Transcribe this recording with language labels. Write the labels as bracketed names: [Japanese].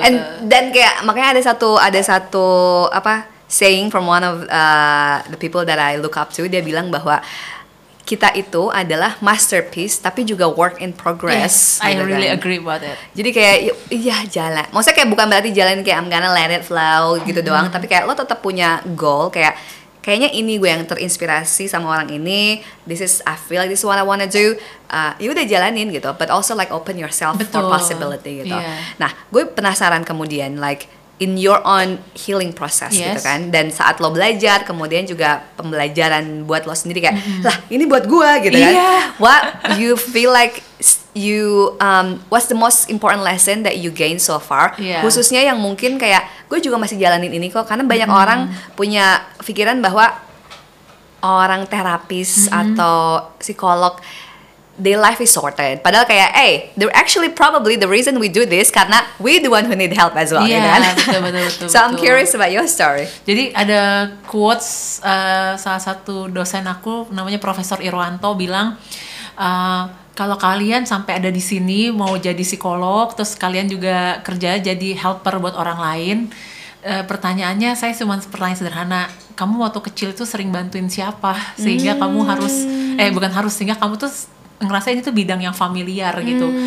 [English] And then [Indonesian] kayak makanya ada satu apa [English] saying from one of the people that I look up to, [Indonesian] dia bilang bahwa kita itu adalah masterpiece tapi juga [English] work in progress. Yes, I really agree about it. [Indonesian] Jadi kayak iya jalan. Maksudnya kayak bukan berarti jalan kayak [English] I'm gonna let it flow [Indonesian] gitu doang, tapi kayak lo tetap punya goal kayak. kayaknya ini gue yang terinspirasi sama orang ini. [English] This is I feel like this is what I wanna do. [Indonesian] Ya udah jalanin gitu. [English] But also like open yourself for possibility gitu. Yeah. [Indonesian] Nah, gue penasaran kemudian [English] like in your own healing process yes. [Indonesian] gitu kan. Dan saat lo belajar, kemudian juga pembelajaran buat lo sendiri kayak lah ini buat gue gitu kan. [English] Yeah. What you feel like you what's the most important lesson that you gain so far? Yeah. [Indonesian] Khususnya yang mungkin kayak gue juga masih jalanin ini kok, karena banyak orang punya pikiran bahwa orang terapis atau psikolog [English] their life is sorted. [Indonesian] Padahal kayak, [English] hey, they're actually probably the reason we do this karena we the one who need help as well. [Indonesian] Iya, kan? Betul. [English] So I'm curious about your story. [Indonesian] Jadi ada quotes salah satu dosen aku namanya Profesor Irwanto bilang, kalau kalian sampai ada di sini mau jadi psikolog, terus kalian juga kerja jadi helper buat orang lain. Pertanyaannya, saya cuma pertanyaan sederhana, kamu waktu kecil tuh sering bantuin siapa sehingga kamu harus, sehingga kamu tuh ngerasa ini tuh bidang yang familiar gitu.